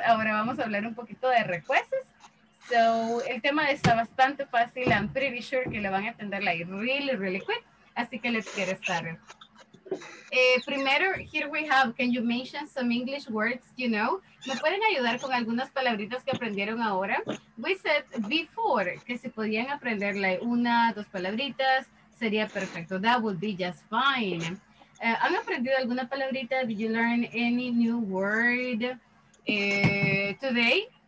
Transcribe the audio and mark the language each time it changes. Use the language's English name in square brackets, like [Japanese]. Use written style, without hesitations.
[Spanish] Ahora vamos a hablar un poquito de requests. So, el tema está bastante fácil. [English] I'm pretty sure [Spanish] que le van a atender [English] like really, really quick. [Spanish] Así que [English] let's get started. [Spanish] Primero, [English] here we have, can you mention some English words, you know? [Spanish] ¿Me pueden ayudar con algunas palabritas que aprendieron ahora? [English] We said before [Spanish] que si podían aprender like una, dos palabritas, sería perfecto. [English] That would be just fine. [Spanish] ¿Han aprendido alguna palabrita? [English] Did you learn any new word today?